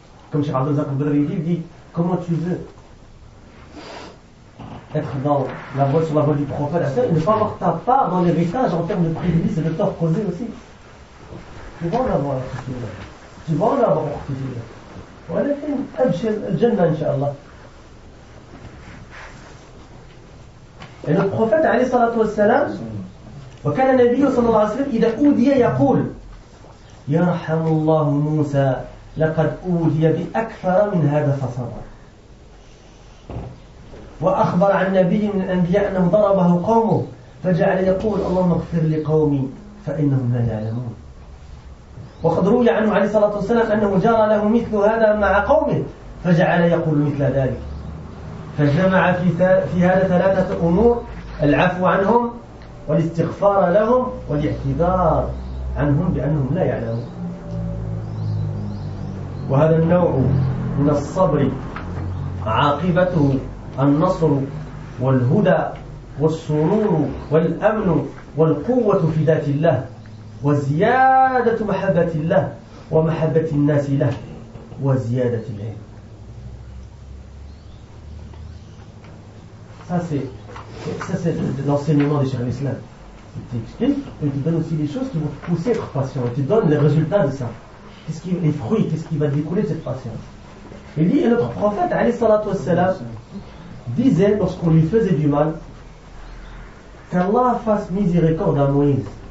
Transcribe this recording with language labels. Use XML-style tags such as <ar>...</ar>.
<fr>Comme Cheikh Abdel Zakr Bouddhari dit, comment tu veux être dans la voie, sur la voie du prophète, et ne pas avoir ta part dans l'héritage en termes de préjudice et de tort causé aussi. Tu vas en avoir la question. Tu vas en avoir la question. Voilà, c'est le Jannah, inshallah. Et le prophète,</fr> <ar>alayhi salatu wa salam, وكان النبي صلى الله عليه وسلم إذا أودي يقول يرحم الله موسى لقد أودي بأكثر من هذا فصبر وأخبر عن نبي من الأنبياء أنه ضربه قومه فجعل يقول اللهم اغفر لقومي فإنهم لا يعلمون وقد روي عنه عليه الصلاة والسلام أنه جرى له مثل هذا مع قومه فجعل يقول مثل ذلك فجمع في هذا ثلاثة أمور العفو عنهم والاستغفار لهم والاعتذار عنهم بأنهم لا يعلمون وهذا النوع من الصبر عاقبته النصر والهدى والسرور والأمن والقوة في ذات الله وزيادة محبة الله ومحبة الناس له وزيادة العلم.</ar> <fr>ça c'est l'enseignement des chers islam. Il t'explique et il te donne aussi les choses qui vont te pousser à être patient. Il te donne les résultats de ça. Qu'est-ce qui, les fruits, qu'est-ce qui va découler de cette patience. Il dit, et notre prophète, alayhi salatu wassalam, disait, lorsqu'on lui faisait du mal, qu'Allah fasse miséricorde à Moïse.</fr>